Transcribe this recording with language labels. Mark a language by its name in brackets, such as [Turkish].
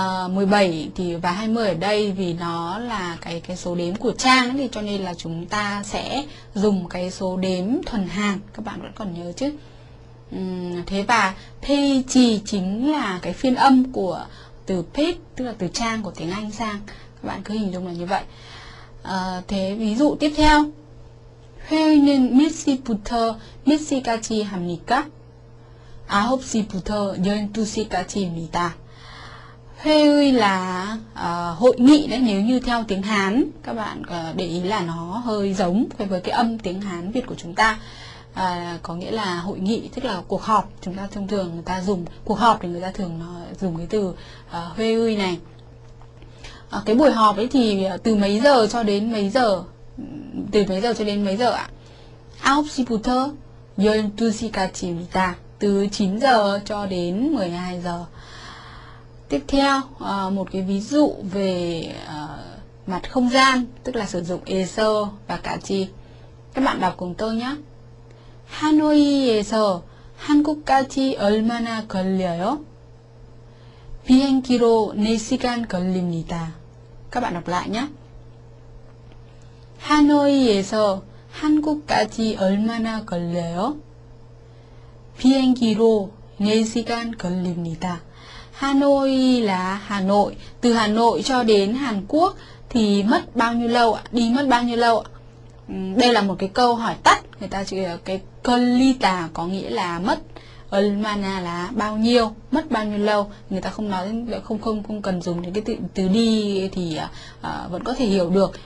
[Vietnamese] 17 thì và 20 ở đây vì nó là cái số đếm của trang thì cho nên là chúng ta sẽ dùng cái số đếm thuần hàng, các bạn vẫn còn nhớ chứ. Thế và page chính là cái phiên âm của từ page, tức là từ trang của tiếng Anh sang, các bạn cứ hình dung là như vậy. Thế ví dụ tiếp theo. [Korean] 회의는 몇 시부터 몇 시까지 합니까? 9시부터 12시까지입니다. [Vietnamese] 회의 là hội nghị đấy, nếu như theo tiếng Hán, các bạn để ý là nó hơi giống với cái âm tiếng Hán Việt của chúng ta. Có nghĩa là hội nghị, tức là cuộc họp, chúng ta thông thường người ta dùng cuộc họp thì người ta thường dùng cái từ 회의 này. Cái buổi họp ấy thì từ mấy giờ cho đến mấy giờ? Từ mấy giờ cho đến mấy giờ ạ? 9시부터 12시까지입니다. Từ 9 giờ cho đến 12 giờ. Tiếp theo, một cái ví dụ về mặt không gian, tức là sử dụng 에서 và 까지. Các bạn đọc cùng tôi nhé. [Korean] 하노이에서 한국까지 얼마나 걸려요? 비행기로 4시간 걸립니다. [Vietnamese] Các bạn đọc lại nhé. [Korean] Hanoi에서 한국까지 얼마나 걸려요? 비행기로 4시간 걸립니다. [Vietnamese] Hanoi là Hà Nội. Từ Hà Nội cho đến Hàn Quốc thì mất bao nhiêu lâu ạ? Đi mất bao nhiêu lâu ạ? Đây là một cái câu hỏi tắt. Người ta chỉ là cái kolita có nghĩa là mất. Almana là bao nhiêu, mất bao nhiêu lâu. Người ta không nói, không cần dùng đến cái từ đi thì vẫn có thể hiểu được.